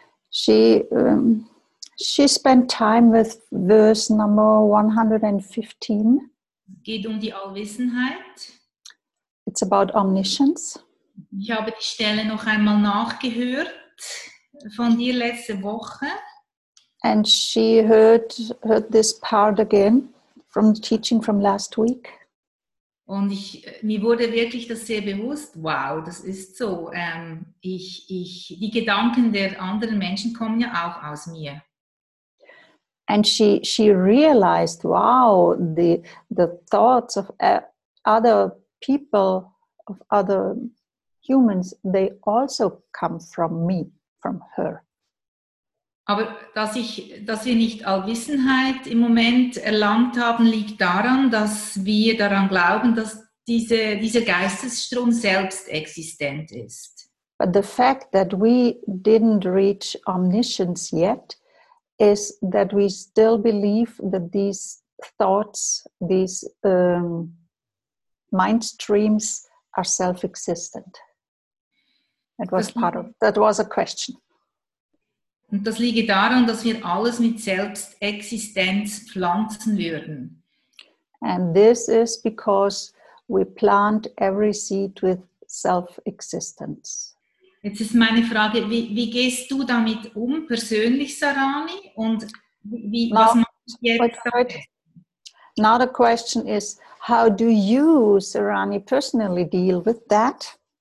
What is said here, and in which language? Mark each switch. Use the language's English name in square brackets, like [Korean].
[English] She spent time with verse number 115. [German] Geht um die Allwissenheit. [English] It's about omniscience. [German] Ich habe die Stelle noch einmal nachgehört von dir letzte Woche. [English] And she heard this part again from the teaching from last week. [German] Und mir wurde wirklich das sehr bewusst. Wow, das ist so. Die Gedanken der anderen Menschen kommen ja auch aus mir. [English] And she realized, wow, the thoughts of other people, of other humans, they also come from me, from her. [German] Aber dass wir nicht Allwissenheit im Moment erlangt haben, liegt daran, dass wir daran glauben, dass dieser Geistesstrom selbst existent ist. [English] But the fact that we didn't reach omniscience yet is that we still believe that these thoughts, these mind streams are self-existent. That was a question. [German] Und das liege daran, dass wir alles mit Selbstexistenz pflanzen würden. [English] And this is because we plant every seed with self-existence. [German] Jetzt ist meine Frage, wie gehst du damit um, persönlich, Sarani? Und was machst du jetzt? [English] Now the question is, how do you, Sarani, personally deal with that?